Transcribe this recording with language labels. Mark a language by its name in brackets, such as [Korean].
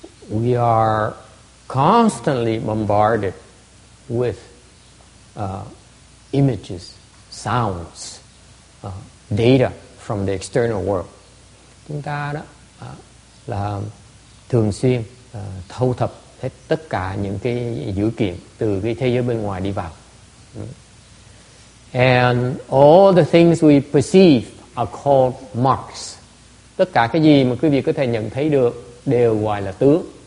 [English] We are constantly bombarded with images, sounds, data from the external world. [Vietnamese] Chúng ta đó là thường xuyên thu thập hết tất cả những cái dữ kiện từ cái thế giới bên ngoài đi vào. [English] And all the things we perceive are called marks. [Vietnamese] Tất cả cái gì mà quý vị có thể nhận thấy được đều gọi là tướng.